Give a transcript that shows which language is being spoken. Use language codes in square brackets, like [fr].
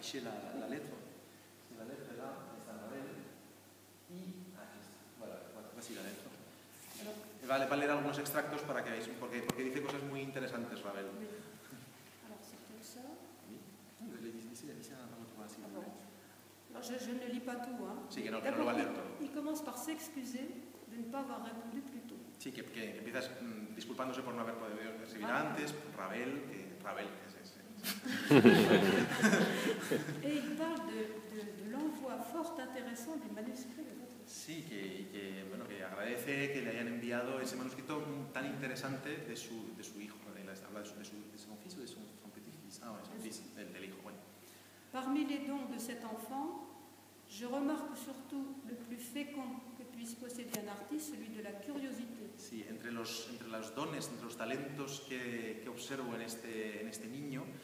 [es] Sí, la letra là, está en Ravel. Y aquí está. Bueno, la letra. Vale, va a leer algunos extractos para que veáis, porque dice cosas muy interesantes, Ravel. [fr] Oui. Alors, c'est comme ça. [es] Le dice un poco más. [fr] Alors, je ne lis pas tout, hein. [es] Sí, que no, que no lo va a leer todo. [fr] Il commence par s'excuser de ne pas avoir répondu plus tôt. [es] Sí, que empiezas disculpándose por no haber podido recibir antes, Ravel, que Ravel. [fr] Et il parle de l'envoi fort intéressant du manuscrit. [es] Sí, que agradece que le hayan enviado ese manuscrito tan interesante de su hijo, del hijo. Bueno. [fr] Parmi les dons de cet enfant, je remarque surtout le plus fécond que puisse posséder un artiste, celui de la curiosité. [es] Sí, entre los dones, entre los talentos que observo en este niño.